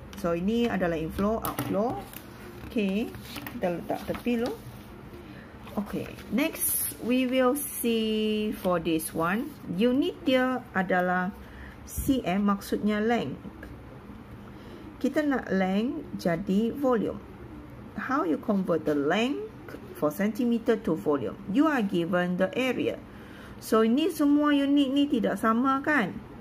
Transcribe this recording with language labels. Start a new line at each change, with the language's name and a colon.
Malay: So ini adalah inflow, outflow. Okay, kita letak tepi lo.
English: Okay, next we will see for this one.
Malay: Unit dia adalah cm, maksudnya length. Kita nak length jadi volume.
English: How you convert the length for centimeter to volume? You are given the area.
Malay: So ini semua unit ni tidak sama kan?